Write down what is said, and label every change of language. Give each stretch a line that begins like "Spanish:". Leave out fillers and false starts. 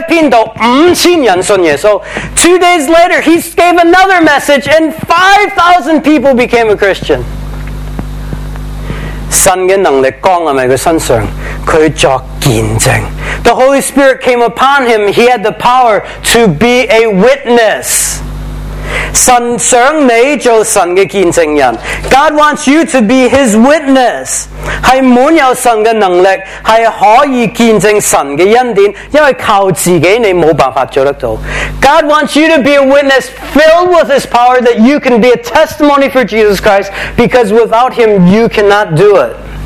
Chinese: 一两日后又再讲一篇道，5,000人信耶稣.
English: 2 days later, he gave another message and 5,000 people became a Christian.
Chinese: 神的能力降临在他身上，他作见证。
English: The Holy Spirit came upon him. He had the power to be a witness.
Chinese: 神想你做神的见证人。
English: God wants you to be his witness.
Chinese: 是满有神的能力，是可以见证神的恩典，因为靠自己你没办法做得到。
English: God wants you to be a witness filled with his power that you can be a testimony for Jesus Christ because without him you cannot do it.